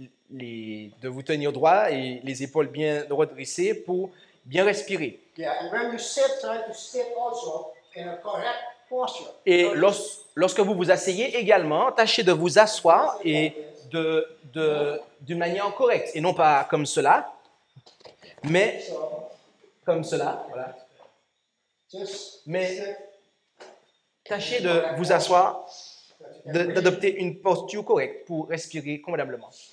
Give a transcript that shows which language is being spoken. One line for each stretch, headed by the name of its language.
French: De vous tenir droit et les épaules bien redressées pour bien respirer.
English: Yeah, and when you sit, try to sit also in a correct posture.
French: Et lorsque vous vous asseyez également, tâchez de vous asseoir et de d'une manière correcte et non pas comme cela, mais comme cela. Voilà. Mais tâchez de vous asseoir, d'adopter une posture correcte pour respirer convenablement.